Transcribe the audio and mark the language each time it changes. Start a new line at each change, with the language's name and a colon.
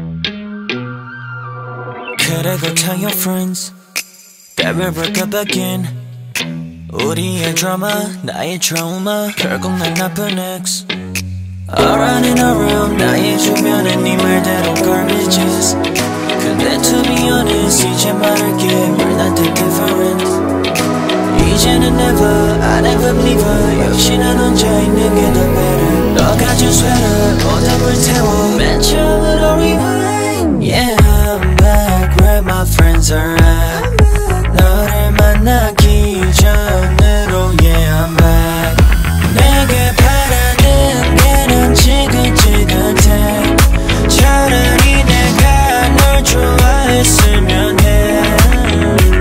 English: should I go tell your friends that we broke up again?
Korean: 우리의 drama, 나의 trauma, 결국 난 나쁜 ex.
English: Around and around,
Korean: 나의 주변에 네 말대로 garbages.
English: 근데 to be honest,
Korean: 이제 말할게,
English: we're nothing different.
Korean: 이제는
English: never, I never believe her.
Korean: 역시 난 혼자 있는 게 더 better. 너 가진 sweater, 보답을 태워. 맨 처음으로 rewind.
English: Yeah, I'm back where my friends are at.
Korean: 너를 만나기 이전으로,
English: yeah, I'm back.
Korean: 내게 바라는 게는 지긋지긋해. 차라리 내가 널 좋아했으면 해.